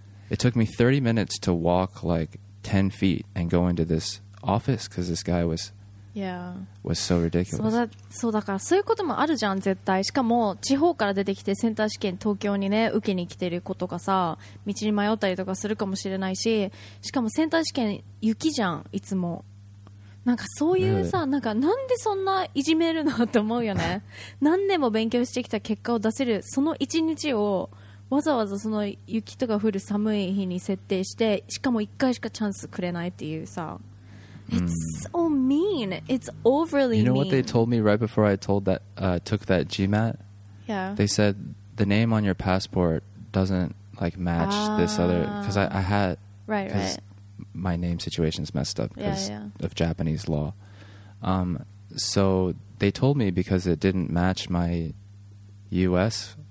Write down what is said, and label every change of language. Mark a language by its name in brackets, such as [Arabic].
[English] It took me 30 minutes to walk like 10 feet and go into this office because this guy was so ridiculous. [Japanese] そうだからそういうこともあるじゃん絶対。しかも地方から出てきてセンター試験東京にね受けに来てる子とかさ道に迷ったりとかするかもしれないし、しかもセンター試験雪じゃんいつも。なんかそういうさ、 [English] really? [Japanese] なんかなんでそんないじめるのって思うよね。何年も勉強してきた結果を出せるその一日をわざわざその雪とか降る寒い日に設定して、しかも1回しかチャンスくれないっていうさ。 [English] It's so mean. It's overly mean. You know what they told me right before I took that GMAT? Yeah. They said the name on your passport doesn't like match this other, because I had right. My name situation is messed up because of Japanese law. So they told me because it didn't match my U.S.